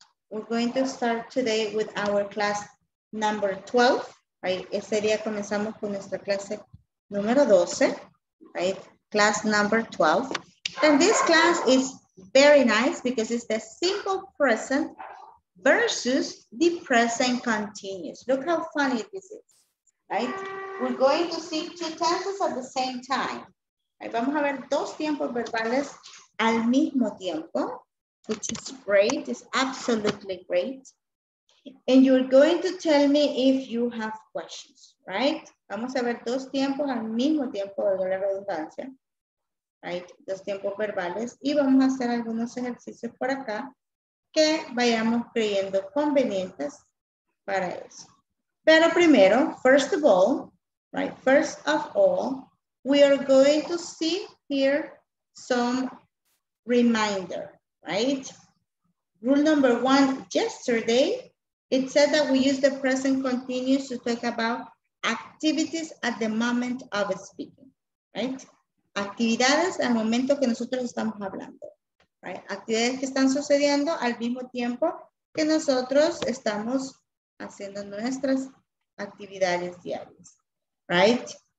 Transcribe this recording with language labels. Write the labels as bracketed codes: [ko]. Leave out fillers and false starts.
[en] We're going to start today with our class number 12, right? [es] Ese día comenzamos con nuestra clase número 12, right? [en] Class number 12. And this class is very nice because it's the simple present versus the present continuous. Look how funny this is, right? We're going to see two tenses at the same time. Right? [es] Vamos a ver dos tiempos verbales al mismo tiempo, [en] which is great. It's absolutely great. And you're going to tell me if you have questions, right? [es] Vamos a ver dos tiempos al mismo tiempo, de la redundancia. Right, dos tiempos verbales, y vamos a hacer algunos ejercicios por acá que vayamos creyendo convenientes para eso. Pero primero, [en] first of all, right, first of all, we are going to see here some reminder, right? Rule number one, yesterday, it said that we use the present continuous to talk about activities at the moment of speaking, right? [es] Actividades al momento que nosotros estamos hablando, right? Actividades que están sucediendo al mismo tiempo que nosotros estamos haciendo nuestras actividades diarias, right?